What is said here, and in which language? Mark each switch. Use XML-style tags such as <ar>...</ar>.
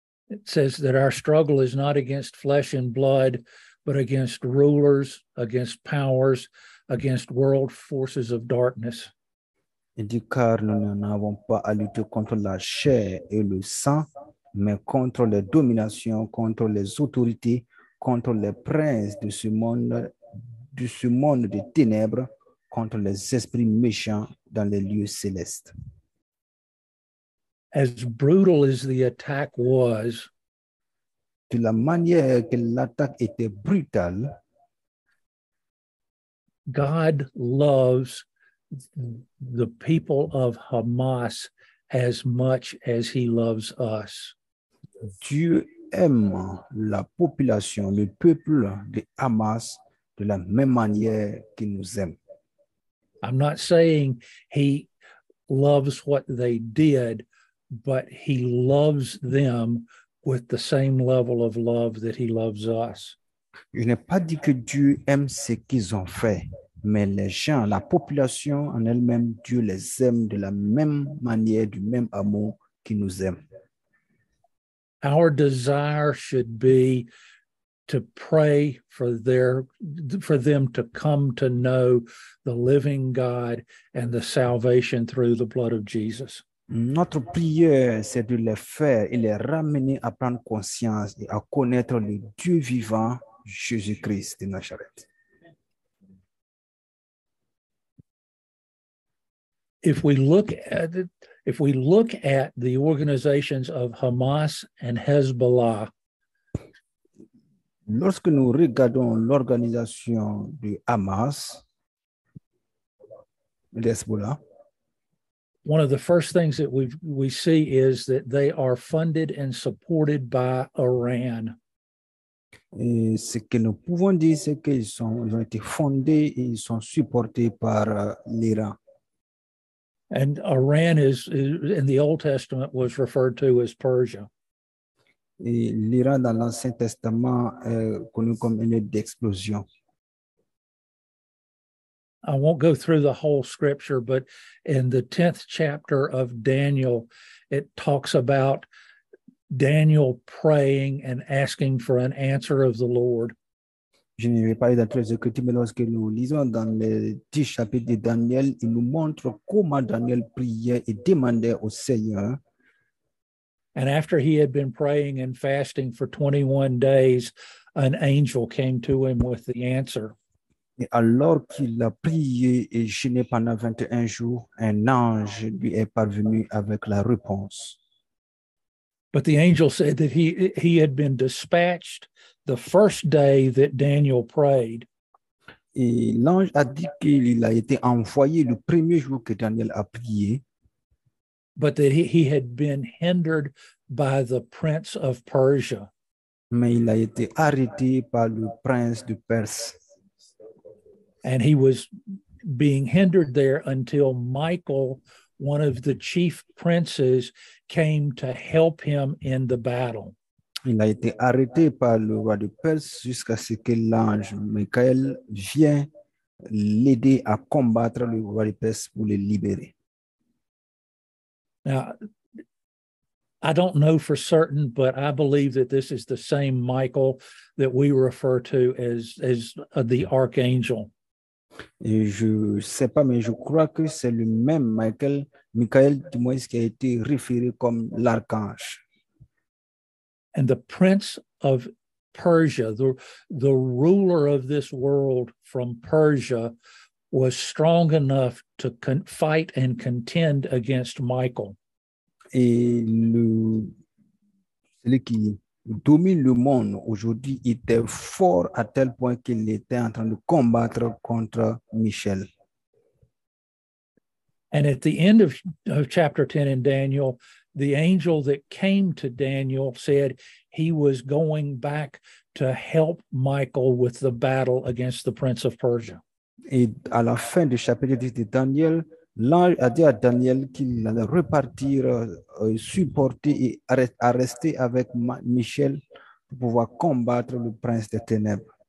<en>It says that our struggle is not against flesh and blood, but against rulers, against powers, against world forces of darkness.</en> <fr>Il dit, car nous n'avons pas à lutter contre la chair et le sang, mais contre les dominations, contre les autorités, contre les princes de ce monde des ténèbres, contre les esprits méchants dans les lieux célestes.</fr> <en>As brutal as the attack was,</en> <fr>De la manière que l'attaque était brutale,</fr> <en>God loves the people of Hamas as much as he loves us.</en> <fr>Dieu aime la population, le peuple de Hamas, de la même manière qu'il nous aime.</fr> <en>I'm not saying he loves what they did. But he loves them with the same level of love that he loves us.</en> <fr>Je n'ai pas dit que Dieu aime ce qu'ils ont fait, mais les gens, la population en elle-même, Dieu les aime de la même manière, du même amour qu'il nous aime.</fr> <en>Our desire should be to pray for them to come to know the living God and the salvation through the blood of Jesus.</en> <fr>Notre prière, c'est de les faire et les ramener à prendre conscience et à connaître le Dieu vivant, Jésus-Christ de Nazareth.</fr> <en>If we look at the organizations of Hamas and Hezbollah,</en> <fr>Lorsque nous regardons l'organisation de Hamas, l'Hezbollah,</fr> <en>one of the first things that we see is that they are funded and supported by Iran.</en> <fr>Et ce que nous pouvons dire, c'est ils ont été fondés et ils sont supportés par l'Iran.</fr> <en>And Iran is in the Old Testament was referred to as Persia.</en> <fr>Et l'Iran dans l'Ancien Testament est connu comme une d'explosion.</fr> <en>I won't go through the whole scripture, but in the 10th chapter of Daniel, it talks about Daniel praying and asking for an answer of the Lord.</en> <fr>Je ne vais pas aller dans les écritures, mais lorsque nous lisons dans les 10 chapitres de Daniel, il nous montre comment Daniel priait et demandait au Seigneur.</fr> <en>And after he had been praying and fasting for 21 days, an angel came to him with the answer.</en> <fr>Et alors qu'il a prié et jeûné pendant 21 jours, un ange lui est parvenu avec la réponse.</fr> <en>But the angel said that he had been dispatched the first day that Daniel prayed.</en> <fr>Et l'ange a dit qu'il a été envoyé le premier jour que Daniel a prié.</fr> <en>But that he had been hindered by the prince of Persia.</en> <fr>Mais il a été arrêté par le prince de Perse.</fr> <en>And he was being hindered there until Michael, one of the chief princes, came to help him in the battle.</en> <fr>Il a été arrêté par le roi de Perse jusqu'à ce que l'ange Michael vienne l'aider à combattre le roi de Perse pour le libérer.</fr> <en>Now, I don't know for certain, but I believe that this is the same Michael that we refer to as the archangel.</en> <fr>Et je ne sais pas, mais je crois que c'est le même Michael du moins, qui a été référé comme l'archange.</fr> <en>And the prince of Persia, the ruler of this world from Persia, was strong enough to fight and contend against Michael.</en> <fr>Et celui qui domine le monde aujourd'hui était fort à tel point qu'il était en train de combattre contre Michel.</fr> <en>And at the end of chapter 10 in Daniel, the angel that came to Daniel said he was going back to help Michael with the battle against the prince of Persia.</en> <fr>Et à la fin du chapitre 10 de Daniel, l'ange a dit à Daniel qu'il allait repartir, supporter et rester avec Michel pour pouvoir combattre le prince des ténèbres.</fr>